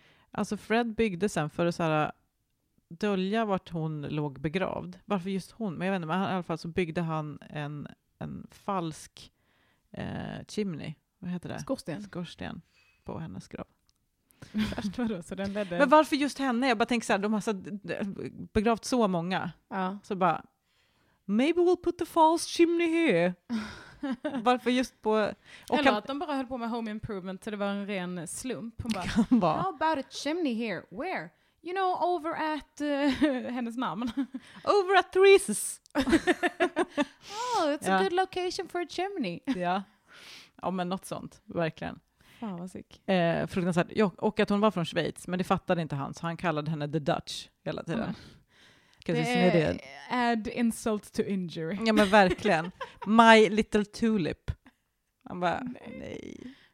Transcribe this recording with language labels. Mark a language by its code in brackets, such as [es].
[sv] Alltså Fred byggde sen för att så här dölja vart hon låg begravd. Varför just hon? Men jag vet inte, men i alla fall så byggde han en falsk chimney. Vad heter det? Skorsten. På hennes grav. Så den ledde. Men varför just henne? Jag bara tänker så här, de har så begravt så många. Ja. Så bara, [en] maybe we'll put the false chimney here. [sv] Varför just på... Och eller att de bara höll på med home improvement så det var en ren slump. Hon bara, kan vara. [en] How about a chimney here? Where? You know, over at [sv] hennes namn. [en] Over at Therese's. Oh, it's a good location for a chimney. [sv] Ja, ja men något sånt, verkligen. Fan vad sick. Fruktansvärt. Ja, och att hon var från Schweiz, men det fattade inte han. Så han kallade henne The Dutch hela tiden. Det är [en] add insult to injury. [sv] Ja, men verkligen. [en] My little tulip. [sv] Han bara, nej.